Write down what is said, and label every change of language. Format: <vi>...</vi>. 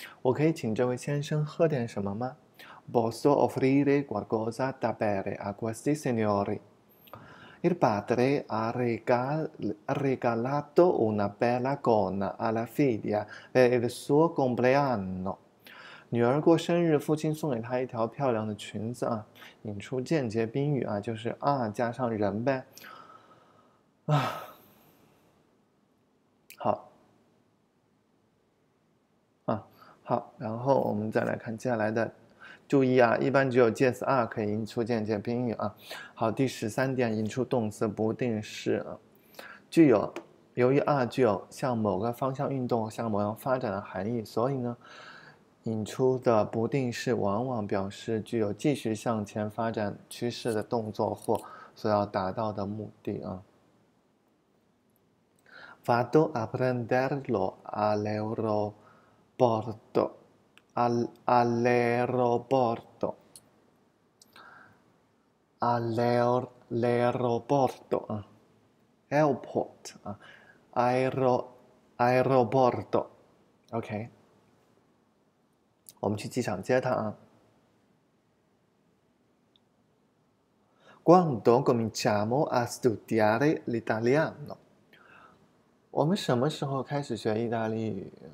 <it>我可以请这位先生喝点什么吗？ posso offrire qualcosa da bere a questi signori？Il padre ha regalato una bella gonna alla figlia per il suo compleanno。</it> <zh>女儿过生日，父亲送给她一条漂亮的裙子啊，引出间接宾语啊，就是啊加上人呗，啊，好，然后我们再来看接下来的，注意啊，一般只有介词 are 可以引出间接宾语啊。好，第十三点，引出动词不定式啊，具有由于 are 具有向某个方向运动、向某样发展的含义，所以呢。引出的不定式往往表示具有继续向前发展趋势的动作或所要达到的目的啊。</zh> <it>Vado a prenderlo all'aeroporto, all'aeroporto, all'aeroporto 啊，airport 啊，aeroporto，OK。</it> <zh>我们去机场接他啊。</zh> <it>Quando cominciamo a studiare l'italiano？</it> <zh>我们什么时候开始学意大利语</zh>